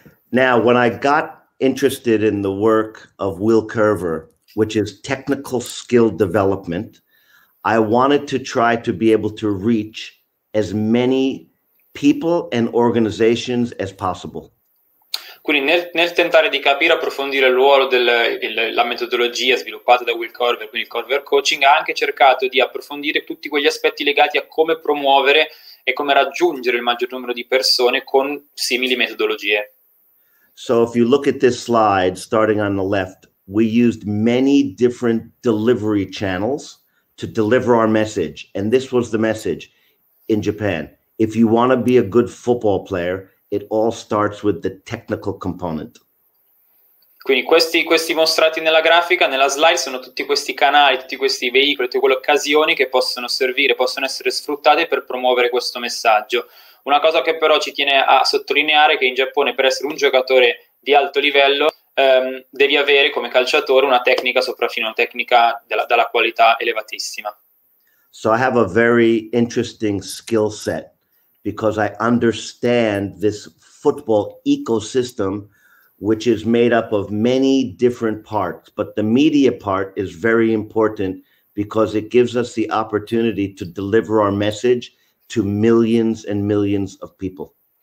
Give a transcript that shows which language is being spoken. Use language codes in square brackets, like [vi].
[en] Now, when I got interested in the work of Will Kerver, which is technical skill development, I wanted to try to be able to reach as many people and organizations as possible. [it] Quindi nel tentare di capire, approfondire il ruolo della metodologia sviluppata da Will Kerver, quindi il Kerver Coaching, ha anche cercato di approfondire tutti quegli aspetti legati a come promuovere e come raggiungere il maggior numero di persone con simili metodologie. [en] So if you look at this slide, starting on the left, we used many different delivery channels to deliver our message. And this was the message in Japan. If you want to be a good football player, it all starts with the technical component. [it] Quindi questi mostrati nella grafica, nella slide, sono tutti questi canali, tutti questi veicoli, tutte quelle occasioni che possono servire, possono essere sfruttate per promuovere questo messaggio. Una cosa che però ci tiene a sottolineare è che in Giappone per essere un giocatore di alto livello devi avere come calciatore una tecnica sopraffina, una tecnica dalla qualità elevatissima. [en] So I have a very interesting skill set, because I understand this football ecosystem, which is made up of many different parts. But the media part is very important because it gives us the opportunity to deliver our message to millions and millions of people.